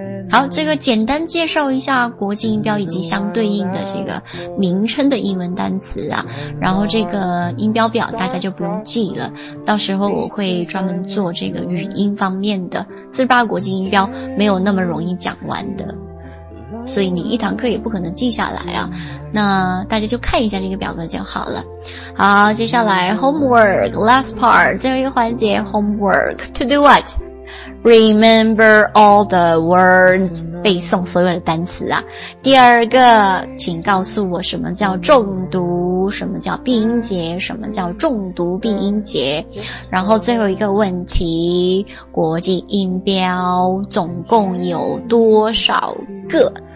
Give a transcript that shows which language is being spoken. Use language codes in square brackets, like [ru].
[zh] 好，这个简单介绍一下国际音标以及相对应的这个名称的英文单词啊，然后这个音标表大家就不用记了，到时候我会专门做这个语音方面的，48个国际音标没有那么容易讲完的，所以你一堂课也不可能记下来啊，那大家就看一下这个表格就好了。好，接下来 [en] homework last part， [zh] 最后一个环节 [en] homework to do what？ Remember all the words， [zh] 背诵所有的单词啊。第二个，请告诉我什么叫重读，什么叫闭音节，什么叫重读闭音节。然后最后一个问题，国际音标总共有多少个？